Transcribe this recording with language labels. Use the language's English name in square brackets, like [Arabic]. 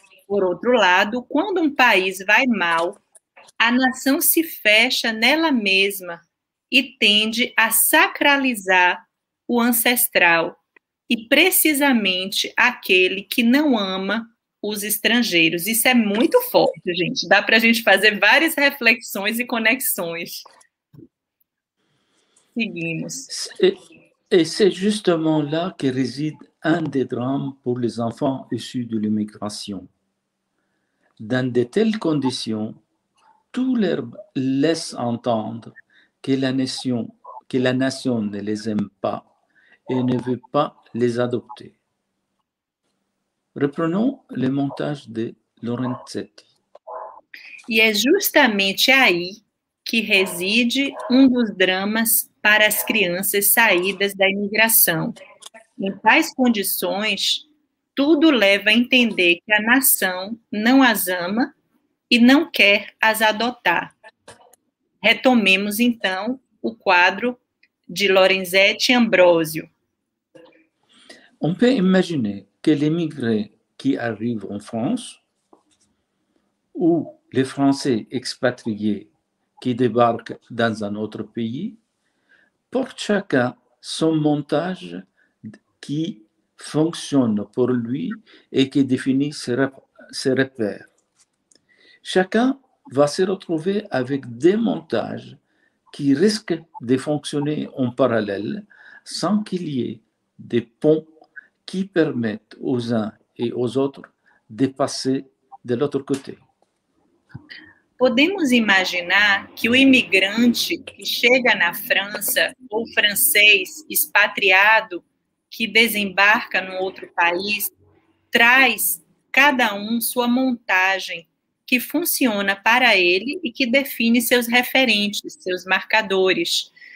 [Portuguese] Por outro lado, quando um país vai mal, a nação se fecha nela mesma e tende a sacralizar o ancestral e precisamente aquele que não ama os estrangeiros. Isso é muito forte, gente. Dá para a gente fazer várias reflexões e conexões. Seguimos. [French] E c'est justement là que réside un des drames pour les enfants issus de l'immigration. Dans de telles conditions, tout leur laisse entendre que la nation ne les aime pas et ne veut pas les adopter. Reprenons le montage de Lorenzetti. [Portuguese] E é justamente aí que réside um dos dramas para as crianças saídas da imigração. Em tais condições, tudo leva a entender que a nação não as ama e não quer as adotar. Retomemos, então, o quadro de Lorenzetti e Ambrosio. [French] On peut imaginer que les migrés qui arrivent en France ou les Français expatriés qui débarquent dans un autre pays portent chacun son montage qui fonctionne pour lui et qui définit ses repères. Chacun va se retrouver avec des montages qui risquent de fonctionner en parallèle sans qu'il y ait des ponts qui permettent aux uns et aux autres de passer de l'autre côté. [Portuguese] Podemos imaginar que o imigrante que chega na França ou francês expatriado que desembarca num outro país, traz cada um sua montagem, que funciona para ele e que define seus referentes, seus marcadores.